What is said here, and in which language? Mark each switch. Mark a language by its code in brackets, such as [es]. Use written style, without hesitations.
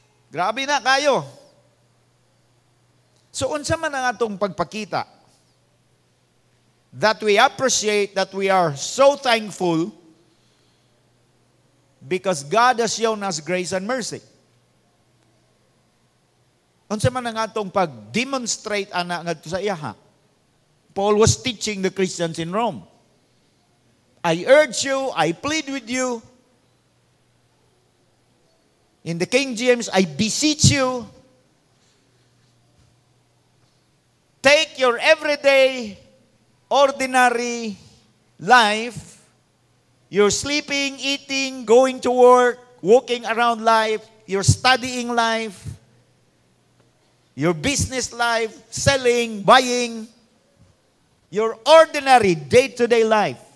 [ceb] Grabe na kayo. So unsa man ang atong pagpakita [en] that we appreciate, that we are so thankful because God has shown us grace and mercy. [ceb] Unsa man ang atong pag-demonstrate ana ngadto sa iyaha? [en] Paul was teaching the Christians in Rome. I urge you, I plead with you. In the King James, I beseech you. Take your everyday, ordinary life, your sleeping, eating, going to work, walking around life, your studying life, your business life, selling, buying, your ordinary day-to-day life.